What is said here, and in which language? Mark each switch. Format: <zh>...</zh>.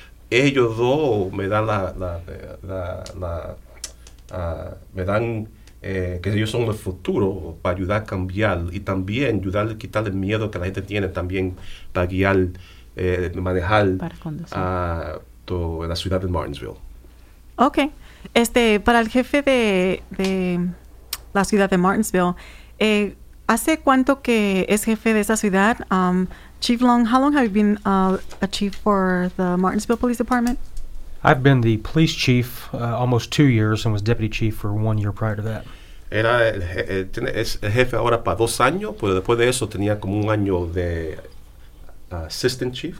<es>Ellos dos me dan la me dan que ellos son el futuro para ayudar a cambiar y también ayudar a quitar el miedo que la gente tiene también para guiar, manejar la ciudad de Martinsville.</es> <en>Ok.</en> <es>Para el jefe de la ciudad de Martinsville, ¿hace cuánto que es jefe de esa ciudad?</es> <en>Chief Long, how long have you been a chief for the Martinsville Police Department? I've been the police chief almost 2 years and was deputy chief for 1 year prior to that.</en> <es>Era el jefe ahora para 2 años, pero después de eso tenía como un año de assistant chief.</es>